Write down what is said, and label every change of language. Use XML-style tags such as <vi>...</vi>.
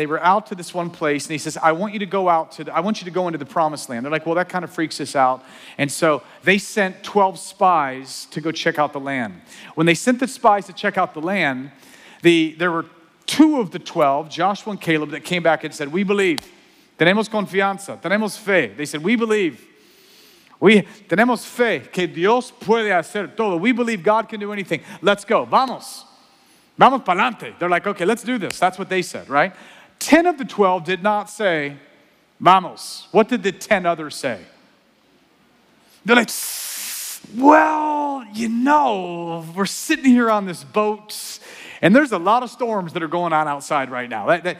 <en>They were out to this one place, and he says, I want you to go into the promised land. They're like, "Well, that kind of freaks us out." And so they sent 12 spies to go check out the land. When they sent the spies to check out the land, there were two of the 12, Joshua and Caleb, that came back and said, "We believe.</en> <es>Tenemos confianza. Tenemos fe."</es> <en>They said, "We believe.</en> <es>We tenemos fe que Dios puede hacer todo.</es> <en>We believe God can do anything. Let's go.</en> <es>Vamos. Vamos pa'lante."</es> <en>They're like, "Okay, let's do this." That's what they said, right? 10 of the 12 did not say, Vamos. What did the 10 others say? They're like, well, you know, we're sitting here on this boat, and there's a lot of storms that are going on outside right now.</en>